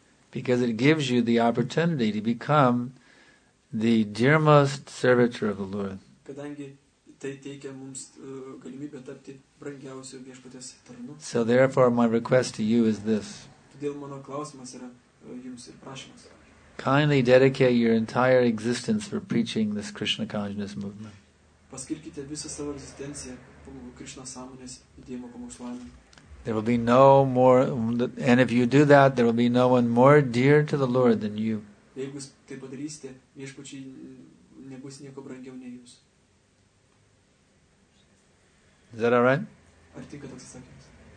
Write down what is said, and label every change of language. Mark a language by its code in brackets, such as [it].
[en] Because it gives you the opportunity to become the dearmost servitor of the Lord. [lt] tai teikia mums galimybę tapti brangiausiu Viešpaties tarnu. [en] So therefore my request to you is this. [lt] Todėl mano klausimas yra jums ir prašymas. [en] Kindly dedicate your entire existence for preaching this Krishna consciousness movement. [lt] Paskirkite visą savo egzistenciją Krishna sąmonės judėjimo pamokslavimui. [en] There will be no more, and if you do that, there will be no one more dear to the Lord than you. [lt] Jeigu tai padarysite, Viešpačiui nebus nieko brangiau nei jūs. [en] Is that all right? [lt] Ar tinka toks atsakymas?